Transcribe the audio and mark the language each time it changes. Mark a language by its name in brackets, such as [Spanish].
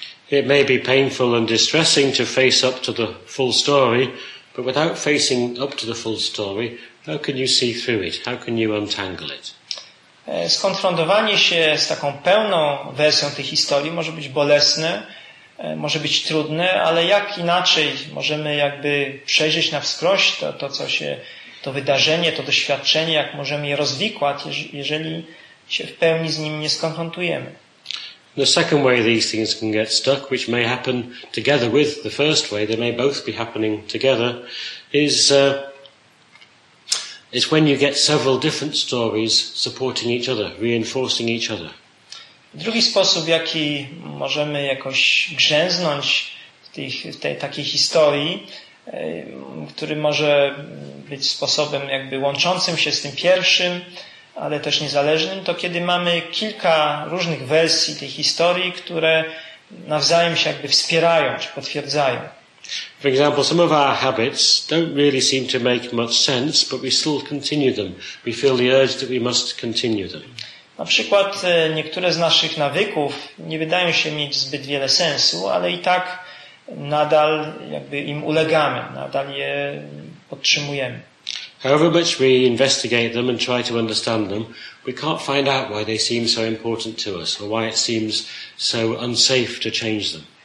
[English] It may be painful and distressing to face up to the full story, but without facing up to the full story, how can you see through it? How can you untangle it? [Polish] Skonfrontowanie się z taką pełną wersją tej historii może być bolesne, może być trudne, ale jak inaczej możemy jakby przejrzeć na wskroś to co się, to wydarzenie, to doświadczenie, jak możemy je rozwikłać, jeżeli się w pełni z nim nie skonfrontujemy. [English] The second way these things can get stuck, which may happen together with the first way, they may both be happening together, is when you get several different stories supporting each other, reinforcing each other. [Polish] Drugi sposób, w jaki możemy jakoś grzęznąć w tej takiej historii, który może być sposobem jakby łączącym się z tym pierwszym, ale też niezależnym, to kiedy mamy kilka różnych wersji tej historii, które nawzajem się jakby wspierają czy potwierdzają. [English] For example, some of our habits don't really seem to make much sense, but we still continue them. We feel the urge that we must continue them. [Polish] Na przykład niektóre z naszych nawyków nie wydają się mieć zbyt wiele sensu, ale i tak nadal jakby im ulegamy, nadal je podtrzymujemy. [English] However much we investigate them and try to understand them, we can't find out why they seem so important to us or why it seems so unsafe to change them.